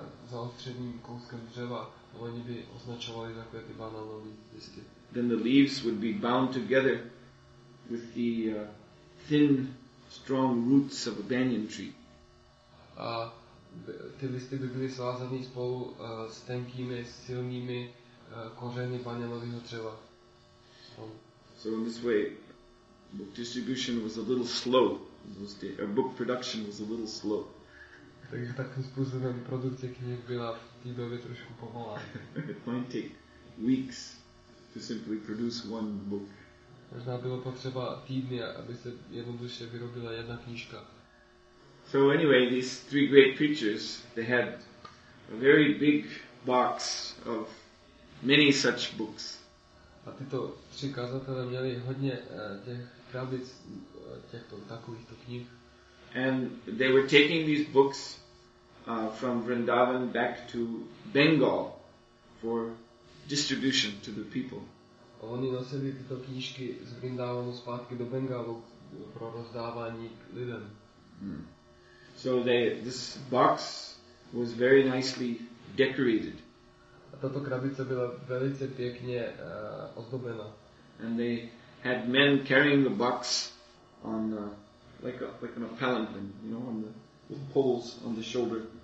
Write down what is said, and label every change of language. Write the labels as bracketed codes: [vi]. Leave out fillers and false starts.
[cs] Zaostřeným kouskem dřeva. Oni by označovali takové ty banánové listy. [en] Then the leaves would be bound together with the thin, strong roots of a banyan tree. [cs] A ty listy by byly svázané spolu s tenkými, silnými kořeny banánového dřeva. [en] So in this way, book distribution was a little slow in those days. Or book production was a little slow. [cs] Takže takovým způsobem produkce knih byla v té době trošku pomalá. [en] It might take weeks to simply produce one book. [cs] Možná bylo potřeba týdny, aby se jednoduše vyrobila jedna knížka. [en] So anyway, these three great preachers, they had a very big box of many such books. [cs] A tyto tři kazatelé měli hodně těch krabic, těchto takovýchto knih. [en] And they were taking these books from Vrindavan back to Bengal for distribution to the people. [cs] Oni nosili tyto knížky z Vrindavanu zpátky do Bengalu pro rozdávání lidem. [en] So this box was very nicely decorated. [cs] A tato krabice byla velice pěkně ozdobena. [en] And they had men carrying the box on like a palanquin, you know, on the with poles on the shoulder.